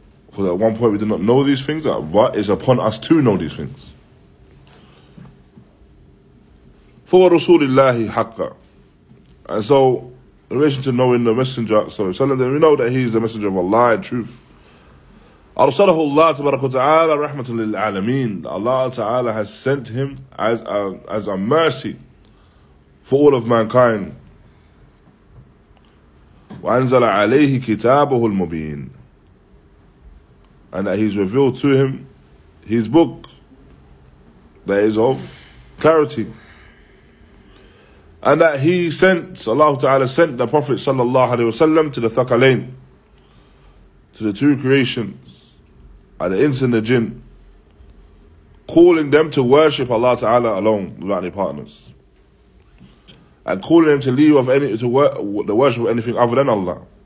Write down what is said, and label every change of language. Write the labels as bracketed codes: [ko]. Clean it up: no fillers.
[en] Because at one point we did not know these things, but it's upon us to know these things. For Rasulullah haqqa. And so, in relation to knowing the Messenger, sallallahu alayhi wa sallam, we know that he is the Messenger of Allah and truth. [ar] أرسله الله تبارك وتعالى رحمة للعالمين. [en] Allah Ta'ala has sent him as a mercy for all of mankind. [ar] وأنزل عليه كتابه المبين. [en] And that he's revealed to him his book that is of clarity. And that he sent, Allah Ta'ala sent the Prophet sallallahu alayhi wasallam to the Thaqalain, to the two creations, and the ins and the jinn, calling them to worship Allah Ta'ala alone without any partners, and calling them to leave of any to work the worship of anything other than Allah.